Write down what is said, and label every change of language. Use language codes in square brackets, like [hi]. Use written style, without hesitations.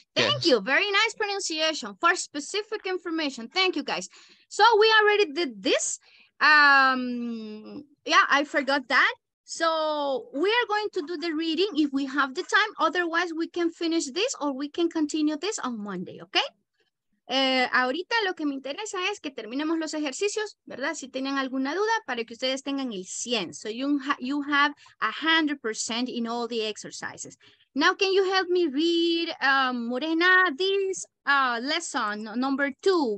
[en] Thank you, very nice pronunciation. For specific information, thank you, guys. So we already did this. Yeah, I forgot that. So we are going to do the reading if we have the time. Otherwise, we can finish this or we can continue this on Monday, okay? [es] Ahorita lo que me interesa es que terminemos los ejercicios, ¿verdad? Si tienen alguna duda, para que ustedes tengan el 100. [en] So you have 100% in all the exercises. Now, can you help me read, Morena, this lesson number two?